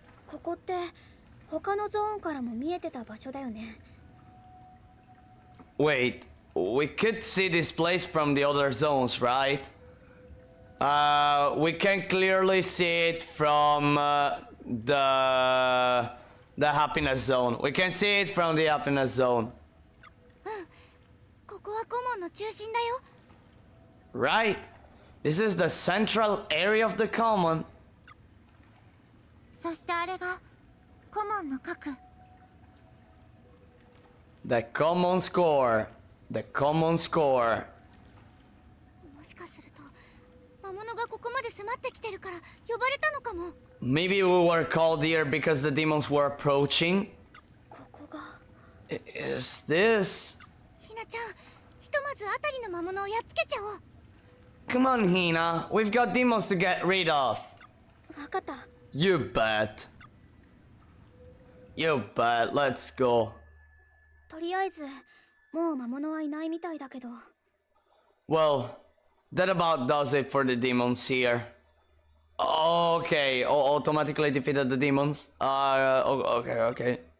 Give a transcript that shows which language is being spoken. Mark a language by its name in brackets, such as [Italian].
[Japanese] ここって他のゾーンからも見えてた場所だよね。 [English] Wait, we could see this place from the other zones, right? We can clearly see it from the happiness zone. We can see it from the happiness zone. [Japanese] ここはコモンの中心だよ。 [English] Right, this is the central area of the common. [Japanese] そしてあれがコモンの核。 [English] The common score. The common score. [Japanese] もしかすると、魔物がここまで迫ってきてるから呼ばれたのかも。 [English] Maybe we were called here because the demons were approaching. [Japanese] ここが。 [English] Is this? [Japanese] ひなちゃん、ひとまずあたりの魔物をやっつけちゃおう。 [English] Come on, Hina. We've got demons to get rid of. [Japanese] わかった。 [English] You bet. You bet. Let's go. [Japanese] とりあえず、もう魔物はいないみたいだけど。 [English] Well, that about does it for the demons here. Okay, automatically defeated the demons. Okay.